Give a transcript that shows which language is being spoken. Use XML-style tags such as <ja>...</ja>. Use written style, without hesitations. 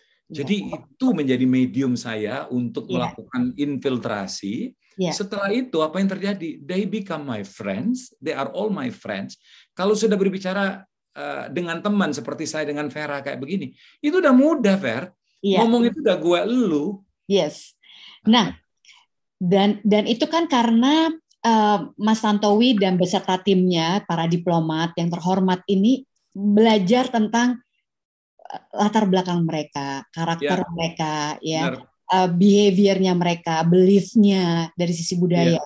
<id>Jadi itu menjadi medium saya untuk melakukan infiltrasi.</id> <en>Yeah.</en> <id>Setelah itu apa yang terjadi?</id> <en>They become my friends, they are all my friends.</en> <id>Kalau sudah berbicara dengan teman seperti saya dengan Vera kayak begini, itu udah mudah, Ver.</id> <en>Yeah.</en> <id>Ngomong itu udah gue elu.</id> <en>Yes.</en> <id>Nah, dan itu kan karena Mas Tantowi dan beserta timnya, para diplomat yang terhormat ini, belajar tentang latar belakang mereka, karakter mereka, ya, behavior-nya mereka, belief-nya dari sisi budaya.</id>